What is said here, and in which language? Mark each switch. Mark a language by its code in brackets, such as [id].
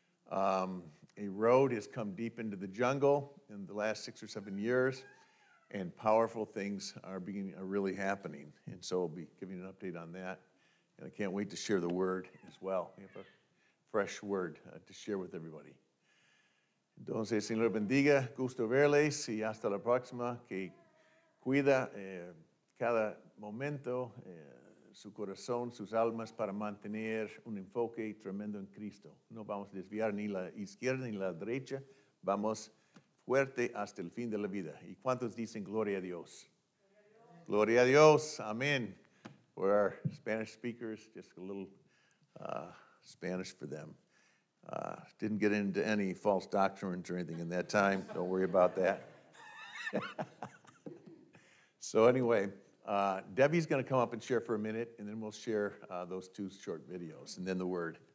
[en] A road has come deep into the jungle in the last 6 or 7 years. And powerful things are really happening. And so we'll be giving an update on that. And I can't wait to share the word as well. We have a fresh word to share with everybody. [es] Entonces, Señor bendiga, gusto verles, y hasta la próxima, que cuida cada momento su corazón, sus almas, para mantener un enfoque tremendo en Cristo. No vamos a desviar ni la izquierda ni la derecha, vamos fuerte hasta el fin de la vida. ¿Y cuántos dicen gloria a Dios? Gloria a Dios. Amén. [en] For our Spanish speakers, just a little Spanish for them. Didn't get into any false doctrines or anything in that time. Don't worry about that. So anyway, Debbie's going to come up and share for a minute, and then we'll share those two short videos, and then the word.